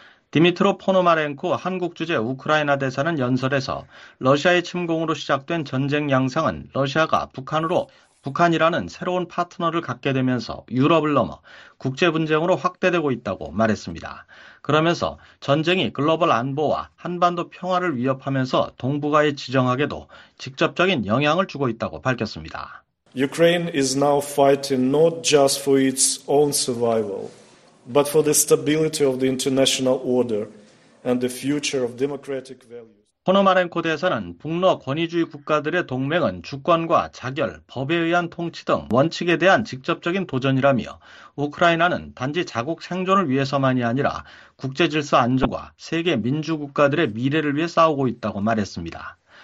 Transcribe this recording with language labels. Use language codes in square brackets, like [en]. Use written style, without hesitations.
[ko] 디미트로 포노마렌코 한국 주재 우크라이나 대사는 연설에서 러시아의 침공으로 시작된 전쟁 양상은 러시아가 북한이라는 새로운 파트너를 갖게 되면서 유럽을 넘어 국제 분쟁으로 확대되고 있다고 말했습니다. 그러면서 전쟁이 글로벌 안보와 한반도 평화를 위협하면서 동북아에 지정하게도 직접적인 영향을 주고 있다고 밝혔습니다. [en] Ukraine is now fighting not just for its own survival, but for the stability of the international order and the future of democratic values. [ko] 포노마렌코 대사는 북러 권위주의 국가들의 동맹은 주권과 자결, 법에 의한 통치 등 원칙에 대한 직접적인 도전이라며 우크라이나는 단지 자국 생존을 위해서만이 아니라 국제질서 안정과 세계 민주국가들의 미래를 위해 싸우고 있다고 말했습니다.